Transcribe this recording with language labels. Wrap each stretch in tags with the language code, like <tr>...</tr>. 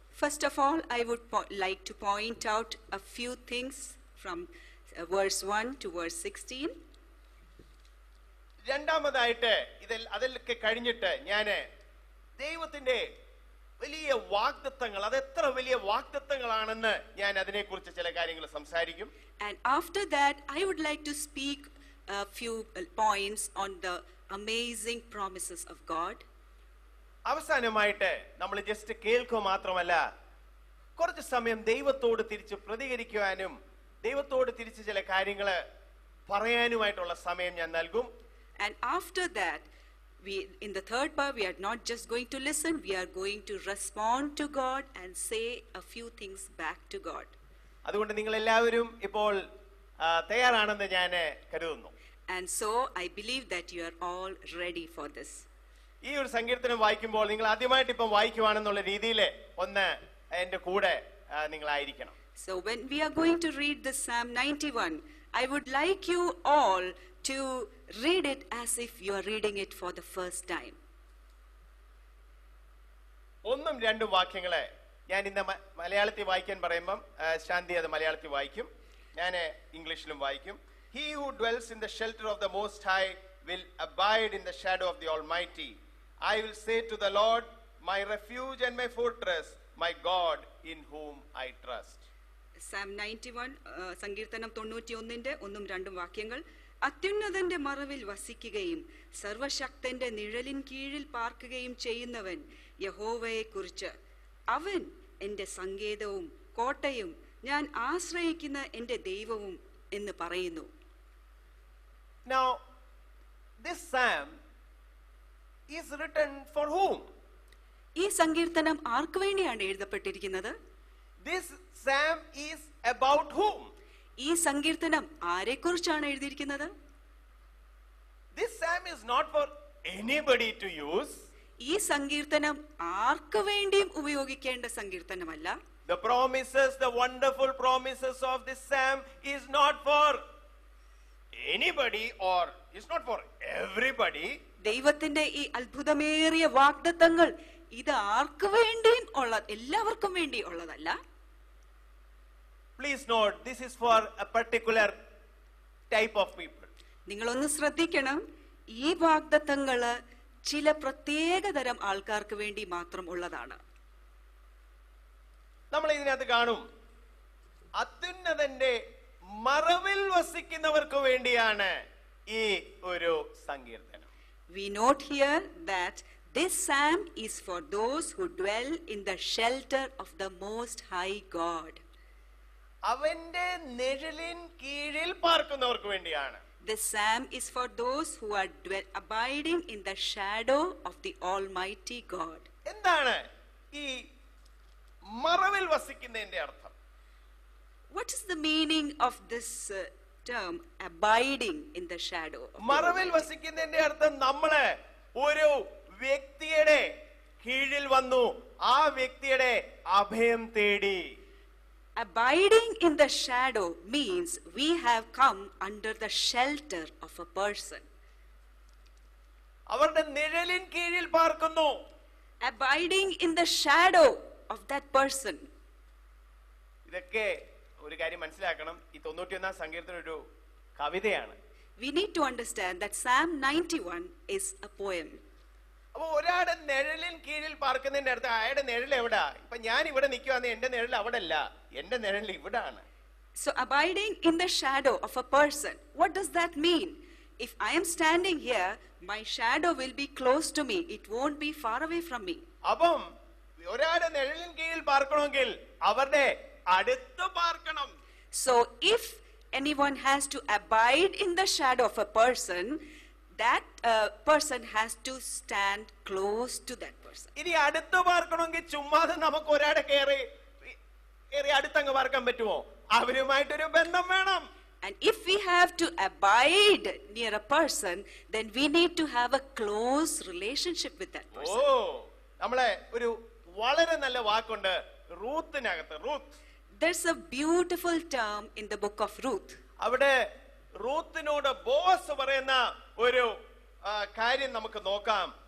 <en>First of all, I would like to point out a few things from verse 1 to verse 16.</en> <ml>രണ്ടാമതായിട്ട് ഇതിൽ അതിലൊക്കെ കഴിഞ്ഞിട്ട് ഞാൻ ദൈവത്തിന്റെ വലിയ വാഗ്ദത്തങ്ങൾ, അത് എത്ര വലിയ വാഗ്ദത്തങ്ങളാണെന്ന് ഞാൻ അതിനെ കുറിച്ച് ചില കാര്യങ്ങൾ സംസാരിക്കും.</ml> <en>And after that, I would like to speak a few points on the amazing promises of God.</en> <ml>അവസാനമായിട്ട് നമ്മൾ ജസ്റ്റ് കേൾക്കുക മാത്രമല്ല, കുറച്ച് സമയം ദൈവത്തോട് തിരിച്ച് പ്രതികരിക്കുവാനും ദൈവത്തോട് തിരിച്ച് ചില കാര്യങ്ങൾ പറയാനുമായിട്ടുള്ള സമയം ഞാൻ നൽകും.</ml> <en>And after that, in the third part, we are not just going to listen, we are going to respond to God and say a few things back to God.</en> <ml>അതുകൊണ്ട് നിങ്ങൾ എല്ലാവരും ഇപ്പോൾ തയ്യാറാണെന്ന് ഞാൻ കരുതുന്നു.</ml> <en>And so I believe that you are all ready for this.</en> <ml>ഈ ഒരു സങ്കീർത്തനം വായിക്കുമ്പോൾ നിങ്ങൾ ആദ്യമായിട്ട് ഇപ്പോൾ വായിക്കുവാണെന്നുള്ള രീതിയിൽ ഒന്ന് എന്റെ കൂടെ നിങ്ങൾ ആയിരിക്കണം.</ml> <en>So when we are going to read the Psalm 91, I would like you all to read it as if you are reading it for the first time.</en> <ml>ഒന്നും രണ്ടും വാക്യങ്ങളെ ഞാൻ ഇന്ന് മലയാളത്തിൽ വായിക്കാൻ പറയുമ്പം ശാന്തി അത് മലയാളത്തിൽ വായിക്കും, ഞാൻ ഇംഗ്ലീഷിലും വായിക്കും.</ml> <en>He who dwells in the shelter of the Most High will abide in the shadow of the Almighty. I will say to the Lord, my refuge and my fortress, my God in whom I trust.</en> <ml>Psalm 91, സങ്കീർത്തനം 91:1 ഒന്നും രണ്ടും വാക്യങ്ങൾ. അത്യുന്നതന്റെ മറവിൽ വസിക്കുകയും സർവശക്തന്റെ നിഴലിൻ കീഴിൽ പാർക്കുകയും ചെയ്യുന്നവൻ യഹോവയെ കുറിച്ച്, അവൻ എന്റെ സങ്കേതവും കോട്ടയും ഞാൻ ആശ്രയിക്കുന്ന എന്റെ ദൈവവും എന്ന് പറയുന്നു.</ml> <en>Now, this psalm is written for whom?</en> <ml>ഈ സങ്കീർത്തനം ആർക്ക് വേണ്ടിയാണ് എഴുതപ്പെട്ടിരിക്കുന്നത്?</ml> <en>This psalm is about whom?</en> <ml>ഈ സങ്കീർത്തനം ആരെക്കുറിച്ചാണ് എഴുതിയിരിക്കുന്നത്?</ml> <en>This psalm is not for anybody to use.</en> <ml>ഈ സങ്കീർത്തനം ആർക്ക് വേണ്ടിയും ഉപയോഗിക്കേണ്ട സങ്കീർത്തനമല്ല.</ml> <en>The promises, the wonderful promises of this psalm is not for anybody or it's not for everybody.</en> <ml>ദൈവത്തിന്റെ ഈ അത്ഭുതമേറിയ വാഗ്ദത്തങ്ങൾ ഇത് ആർക്ക് വേണ്ടിയും ഉള്ള എല്ലാവർക്കും വേണ്ടി ഉള്ളതല്ല.</ml> <en>Please note, this is for a particular type of people.</en> <ml>നിങ്ങൾ ഒന്ന് ശ്രദ്ധിക്കണം, ഈ വാഗ്ദത്തങ്ങൾ ചില പ്രത്യേകതരം ആൾക്കാർക്ക് വേണ്ടി മാത്രം ഉള്ളതാണ്. നമ്മൾ ഇതിനകത്ത് കാണും, അത്യുന്നതന്റെ മറവിൽ വസിക്കുന്നവർക്ക് വേണ്ടിയാണ് ഈ ഒരു സങ്കീർത്തനം.</ml> <en>We note here that this psalm is for those who dwell in the shelter of the Most High God.</en> <ml>അവന്റെ നിഴലിൻ കീഴിൽ പാർക്കുന്നവർക്ക് വേണ്ടിയാണ്.</ml> <en>This psalm is for those who are abiding in the shadow of the Almighty God.</en> <ml>എന്താണ് ഈ മറവിൽ വസിക്കുന്നതിന്റെ അർത്ഥം?</ml> <en>What is the meaning of this term, abiding in the shadow?</en> <ml>മറവിൽ വസിക്കുന്നതിന്റെ അർത്ഥം നമ്മളെ ഒരു വ്യക്തിയുടെ കീഴിൽ വന്നു ആ വ്യക്തിയുടെ അഭയം തേടി.</ml> <en>Abiding in the shadow means we have come under the shelter of a person.</en> <ml>അവരുടെ നിഴലിൻ കീഴിൽ പാർക്കുന്നു.</ml> <en>Abiding in the shadow of that person.</en> <ml>ഇതൊക്കെ ഒരു കാര്യം മനസ്സിലാക്കണം, ഈ 91 സങ്കീർത്തന ഒരു കവിതയാണ്.</ml> <en>We need to understand that Psalm 91 is a poem.</en> <ml>അപ്പോൾ ഒരാളുടെ നിഴലിൻ കീഴിൽ പാർക്കുന്നതിന്റെ അർത്ഥം അയാളുടെ നിഴൽ എവിടാ? ഇപ്പൊ ഞാൻ ഇവിടെ നിൽക്കുവാന്ന് എന്റെ നിഴൽ അവിടെയല്ല, എന്റെ നിഴൽ ഇവിടാണ്.</ml> <en>So abiding in the shadow of a person, what does that mean? If I am standing here, my shadow will be close to me, it won't be far away from me.</en> <ml>അപ്പം ഒരാളുടെ നിഴലിൻ കീഴിൽ പാർക്കണമെങ്കിൽ അവരുടെ അടുത്ത് പാർക്കണം.</ml> <en>So if anyone has to abide in the shadow of a person, that person has to stand close to that person.</en> <ml>ഇനി അടുത്ത് പാർക്കണമെങ്കിൽ ചുമ്മാതെ നമുക്ക് ഒരാടെ കയറി കയറി അടുത്തങ്ങ് പാർക്കാൻ പറ്റുമോ? അവരുമായിട്ടൊരു ബന്ധം വേണം.</ml> <en>And if we have to abide near a person, then we need to have a close relationship with that person.</en> <ml>നമ്മളെ ഒരു വളരെ നല്ല വാക്കുണ്ട് റൂത്തിനകത്ത്. Ruth,</ml> <en>there's a beautiful term in the book of Ruth.</en> <ml>അവിടെ റൂത്തിനോട് ബോസ് പറയുന്ന ഒരു കാര്യം നമുക്ക് നോക്കാം.</ml>